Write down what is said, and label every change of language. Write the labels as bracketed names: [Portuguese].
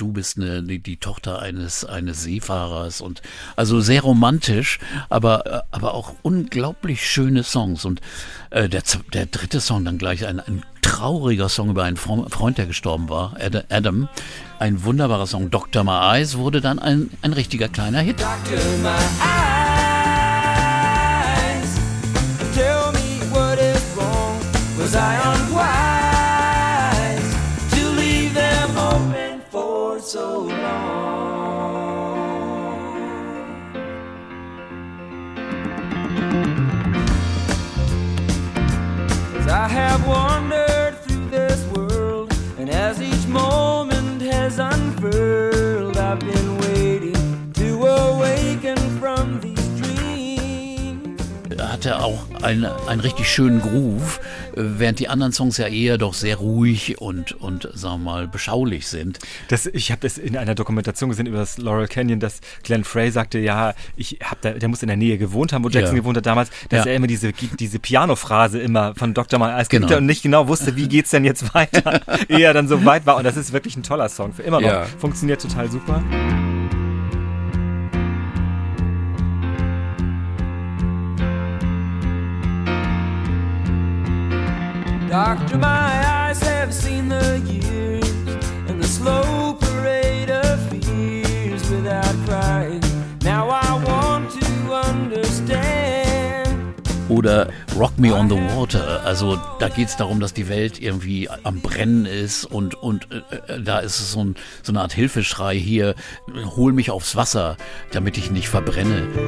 [German] Du bist die Tochter eines Seefahrers und also sehr romantisch, aber auch unglaublich schöne Songs. Und der dritte Song dann gleich, ein trauriger Song über einen Freund, der gestorben war, Adam. Ein wunderbarer Song, Dr. My Eyes, wurde dann ein richtiger kleiner Hit. [English] Dr. My Eyes, tell me what is wrong. Was I unwise to leave them open for so long? As I have wandered through this world, and as each moment unfurled, I've been waiting to awaken from these dreams. [German] Er hatte auch einen richtig schönen Groove, während die anderen Songs ja eher doch sehr ruhig und sagen wir mal, beschaulich sind. Ich habe das in einer Dokumentation gesehen über das Laurel Canyon, dass Glenn Frey sagte, ja, der muss in der Nähe gewohnt haben, wo Jackson gewohnt hat damals, dass er immer diese Piano-Phrase immer von Dr. My Eyes kriegte und nicht genau wusste, wie geht's denn jetzt weiter, ehe er dann so weit war. Und das ist wirklich ein toller Song, für immer noch. Ja. Funktioniert total super. [English] Doctor, my eyes have seen the years and the slow parade of fears without crying. Now I want to understand. [German] Oder Rock Me on the Water. Also da geht es darum, dass die Welt irgendwie am Brennen ist und da ist es so eine Art Hilfeschrei hier. Hol mich aufs Wasser, damit ich nicht verbrenne.